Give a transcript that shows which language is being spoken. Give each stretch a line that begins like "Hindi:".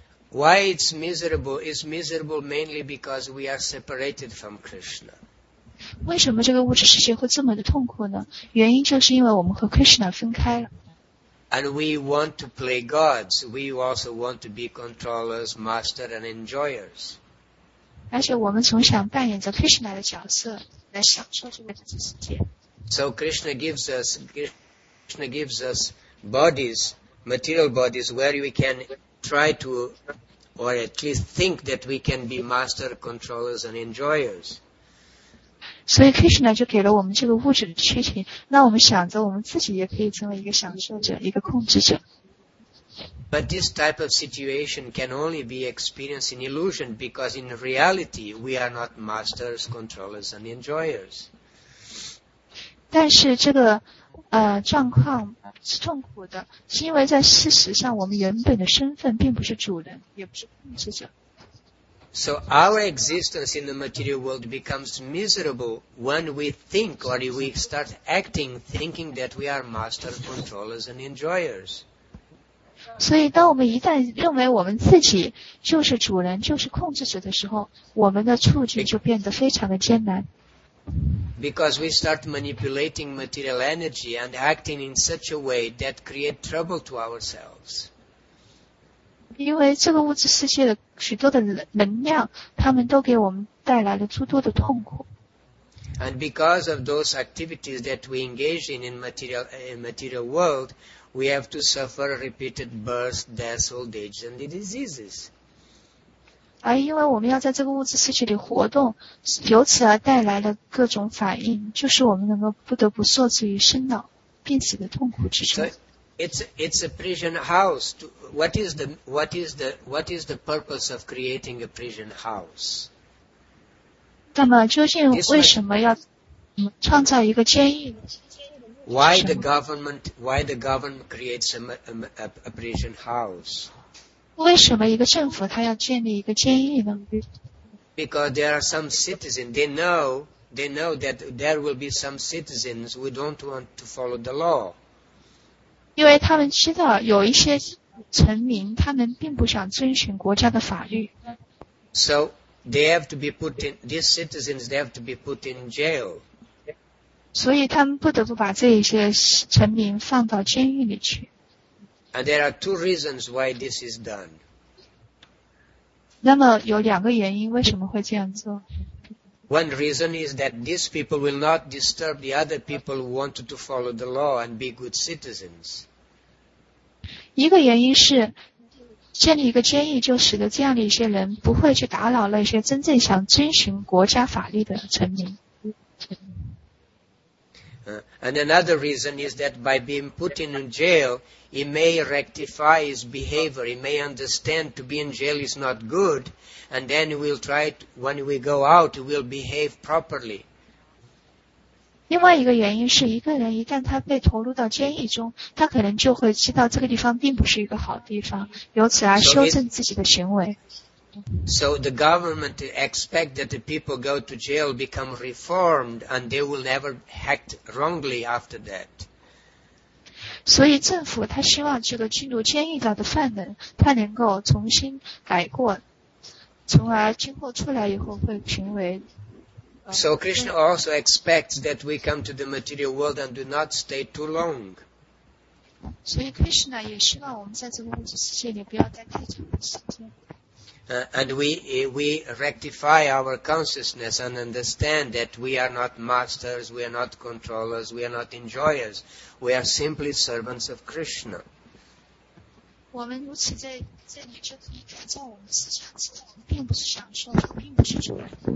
English: Why it's miserable? It's miserable mainly because we are separated from Krishna.
Chinese: 为什么这个物质世界会这么的痛苦呢？原因就是因为我们和 Krishna 分开了。
English: And we want to play gods. We also want to be controllers, master, and enjoyers.
Chinese: 而且我们总想扮演着 Krishna 的角色来享受这个物质世界。
English: So Krishna gives us bodies, material bodies, where we can try to, or at least think that we can be master, controllers, and enjoyers.
Chinese: 所以 Krishna 就给了我们这个物质的躯体，那我们想着我们自己也可以成为一个享受者，一个控制者。
English: But this type of situation can only be experienced in illusion, because in reality we are not masters, controllers, and enjoyers.
Chinese: 但是这个状况是痛苦的，是因为在事实上我们原本的身份并不是主人，也不是控制者。
English: So our existence in the material world becomes miserable when we think, or we start acting, thinking that we are masters, controllers, and enjoyers.
Chinese: 所以当我们一旦认为我们自己就是主人，就是控制者的时候，我们的处境就变得非常的艰难。
English: Because we start manipulating material energy and acting in such a way that create trouble to ourselves.
Chinese: 因为这个物质世界的许多的能量，他们都给我们带来了诸多的痛苦。
English: And because of those activities that we engage in material world,We have to suffer repeated births, deaths, old age, and the diseases.
Chinese: 而因为我们要在这个物质世界里活动，由此而带来的各种反应，就是我们能够不得不受制于生老病死的痛苦之中。
English: So it's a prison house. What is the purpose of creating a prison house?
Chinese: 那么究竟为什么要创造一个监狱？
English: Why the government creates a prison house?
Chinese: 为什么一个政府他要建立一个监狱呢？
English: Because there are some citizens, they know that there will be some citizens who don't want to follow the law.
Chinese: 因为他们知道有一些臣民他们并不想遵循国家的法律。
English: So they have to be put in, these citizens, they have to be put in jail.
Chinese: 所以他们不得不把这一些臣民放到监狱里去。
English: And there are two reasons why this is done.
Chinese: 那么有两个原因为什么会这样做。
English: One reason is that these people will not disturb the other people who wanted to follow the law and be good citizens.
Chinese: 一个原因是建立一个监狱就使得这样的一些人不会去打扰那些真正想遵循国家法律的臣民。
English: And another reason is that by being put in jail, he may rectify his behavior. He may understand to be in jail is not good. And then we'll try, when we go out, we'll behave properly.
Chinese: 另外一个原因是一个人一旦他被投入到监狱中，他可能就会知道这个地方并不是一个好地方，由此而修正自己的行为。
English: So the government expects that the people go to jail, become reformed, and they will never act wrongly after that.
Chinese: 所以政府他希望这个进入监狱的犯人，他能够重新改过，从而今后出来以后会成为。
English: So Krishna also expects that we come to the material world and do not stay too long. So
Chinese: Krishna 也希望我们在这个物质世界里不要待太长的时间。
English: And we rectify our consciousness and understand that we are not masters, we are not controllers, we are not enjoyers, we are simply servants of Krishna.
Chinese: 我们如此在你这里改造我们思想，知道我们并不是享受的，并不是主人。